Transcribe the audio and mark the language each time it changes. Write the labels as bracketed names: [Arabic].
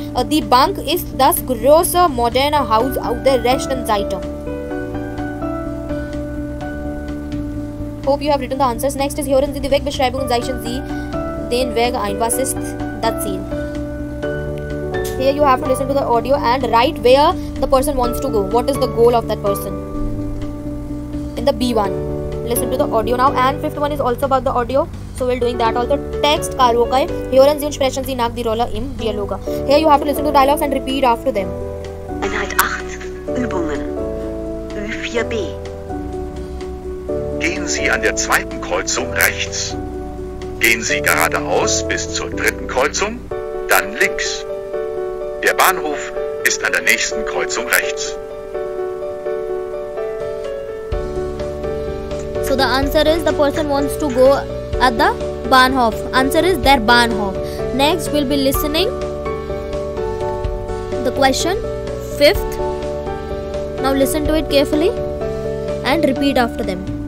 [German] Die Bank ist das große moderne Haus auf der rechten Seite. [English] Hope you have written the answers. Next is [German] hören Sie die Wegbeschreibung und zeichnen Sie den Weg ein. Was ist das Ziel? [English] Here you have to listen to the audio and write where the person wants to go. What is the goal of that person? In the B1. Listen to the audio now. And fifth one is also about the audio. So we're doing that also. Text karaoke. [German] Hören Sie und sprechen Sie nach die Rolle im Dialog. [English] Here you have to listen to the dialogues and repeat after them. [German] Einheit 8. Übungen. Ü4B. Gehen Sie an der zweiten Kreuzung rechts. Gehen Sie geradeaus bis zur dritten Kreuzung, dann links. Der Bahnhof ist an der nächsten Kreuzung rechts. [English] So the answer is the person wants to go at the Bahnhof. Answer is der Bahnhof. Next we'll be listening the question, fifth. Now listen to it carefully and repeat after them.